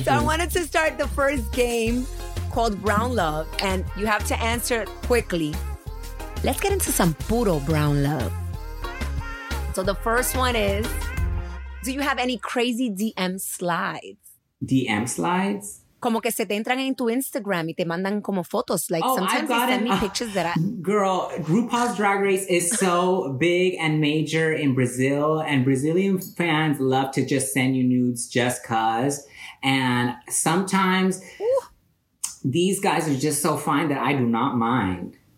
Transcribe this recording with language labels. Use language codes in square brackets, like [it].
[en] fun. So I wanted to start the first game called Brown Love, and you have to answer quickly. Let's get into some puro brown love. So the first one is, do you have any crazy DM slides? DM slides? [es] Como que se te entran en tu Instagram y te mandan como fotos. [en] Like, oh, sometimes I've gotten, they send me pictures that I... Girl, RuPaul's Drag Race is so big and major in Brazil. And Brazilian fans love to just send you nudes just cause. And sometimes these guys are just so fine that I do not mind.